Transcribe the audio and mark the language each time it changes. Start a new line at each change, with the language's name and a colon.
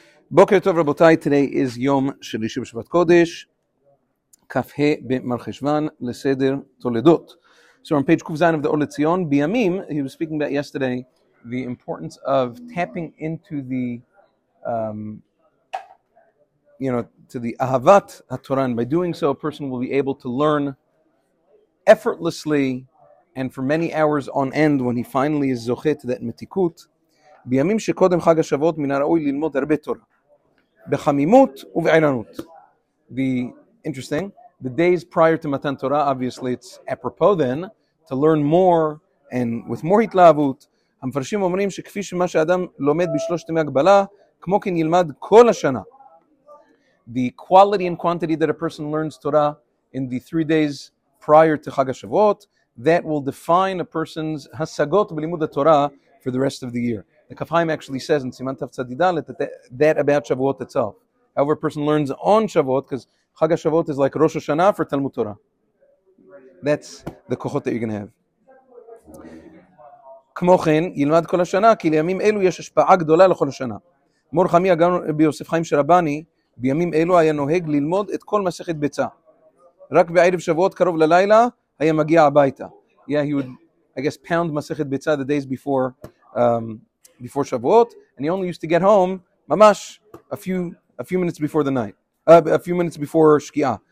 Hebrew: בוקר טוב רבותיי,
English: today is
Hebrew: יום שלישי בשבת קודש, כ"ה במרחשוון לסדר תולדות.
English: So on page Kuf Zayin of the Or LeZion, בימים, he was speaking about yesterday, the importance of tapping into the, you know, to the Ahavat HaTorah, and by doing so a person will be able to learn effortlessly and for many hours on end when he finally is zoche to that metikut.
Hebrew: בימים שקודם חג השבועות מן הראוי ללמוד הרבה תורה. בחמימות ובעירנות.
English: Interesting, the days prior to Matan Torah, obviously it's apropos then, to learn more and with more התלהבות.
Hebrew: המפרשים אומרים שכפי שמה שאדם לומד בשלושת ימי הגבלה, כמו כן ילמד כל השנה.
English: The quality and quantity that a person learns Torah in the 3 days prior to חג השבועות, that will define a person's
Hebrew: השגות בלימוד התורה
English: for the rest of the year. The Kaf Chaim actually says in Siman Tav Tzadi Dalet that about Shavuot itself. However, a person learns on Shavuot, because Chag HaShavuot is like Rosh Hashanah for Talmud Torah. That's the kochot that you're going to have.
Hebrew: כמו כן, ילמד כל השנה, כי לימים אלו יש השפעה גדולה לכל השנה. מור חמי אגן ביוסף חיים שרבני, בימים אלו היה נוהג ללמוד את כל מסכת ביצה. רק בערב שבועות קרוב ללילה, היה מגיע הביתה.
English: Yeah, he would, I guess, pound מסכת ביצה the days before... before Shavuot, and he only used to get home mamash a few minutes before the night, a few minutes before Shkia.